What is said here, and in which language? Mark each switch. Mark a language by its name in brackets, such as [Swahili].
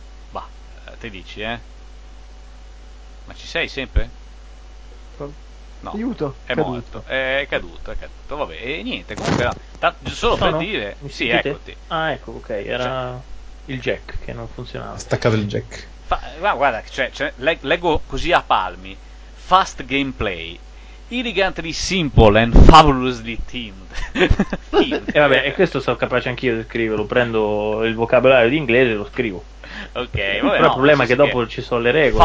[Italian] Bah, te dici, eh? Ma ci sei sempre? No, aiuto, è caduto. Vabbè, e niente, comunque dire, sì, eccoti. Ah, ecco, ok, era il jack che non funzionava. Staccato il jack. Guarda, cioè, leggo così a palmi. [English] Fast gameplay, elegantly simple and fabulously themed. [Italian] vabbè, e questo sono capace anch'io di scriverlo, prendo il vocabolario di inglese e lo scrivo. Ok, vabbè. Però il problema è che dopo ci sono le regole.